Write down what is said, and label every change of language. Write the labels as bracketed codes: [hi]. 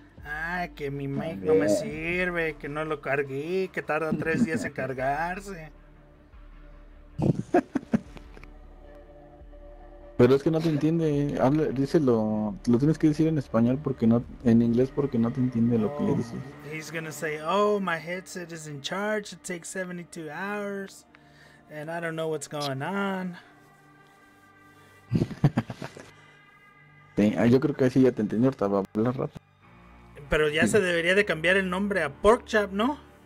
[es] Ay, que mi mic no me sirve, que no lo cargué, que tarda 3 días en cargarse. Pero es que no te entiende, habla, díselo, lo tienes que decir en español porque no, en inglés porque no te entiende lo que le dices. [en] He's gonna say, oh, my headset is in charge, it takes 72 hours, and I don't know what's going on. [es] Sí, yo creo que así ya te entendió, estaba hablando rato. Pero ya sí. Se debería de cambiar el nombre a Porkchop, ¿no?